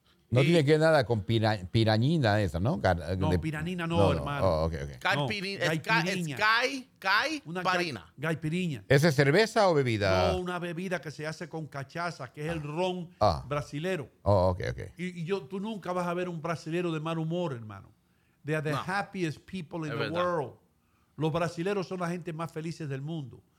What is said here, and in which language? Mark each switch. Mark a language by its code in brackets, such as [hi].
[es] No y, tiene que ver nada con piranina esa, ¿no? Piranina no, hermano. [en] Oh, okay. [es] Caipiriña. No, caipiriña. ¿Esa es cerveza o bebida? No, una bebida que se hace con cachaza, que es el ron brasilero. [en] Oh, okay. [es] Y tú nunca vas a ver un brasilero de mal humor, hermano. [en] They are the happiest people in the world. [es] Los brasileros son la gente más felices del mundo.